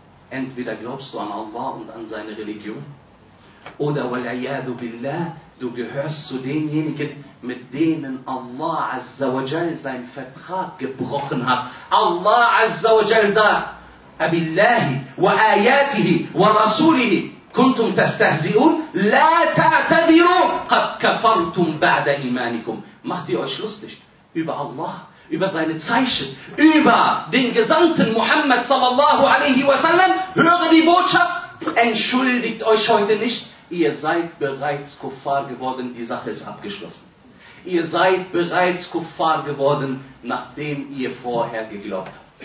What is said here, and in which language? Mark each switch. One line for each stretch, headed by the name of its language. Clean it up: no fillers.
German: Entweder glaubst du an Allah und an seine Religion, oder wal'iyadu billah, du gehörst zu denjenigen, mit denen Allah Azza wa Jal seinen Vertrag gebrochen hat.
Arabic: Allah Azza wa Jal sagt, أَبِاللَّهِ وَآيَاتِهِ وَرَسُولِهِ كُنْتُمْ تَسْتَهْزِئُونَ لَا تَعْتَدِرُوا قَدْ كَفَرْتُمْ بَعْدَ إِمَانِكُمْ.
German: Macht ihr euch lustig über Allah, über seine Zeichen, über den Gesandten Muhammad sallallahu alaihi wasallam? Höre die Botschaft, entschuldigt euch heute nicht. Ihr seid bereits Kuffar geworden, die Sache ist abgeschlossen. Ihr seid bereits Kuffar geworden, nachdem ihr vorher geglaubt habt.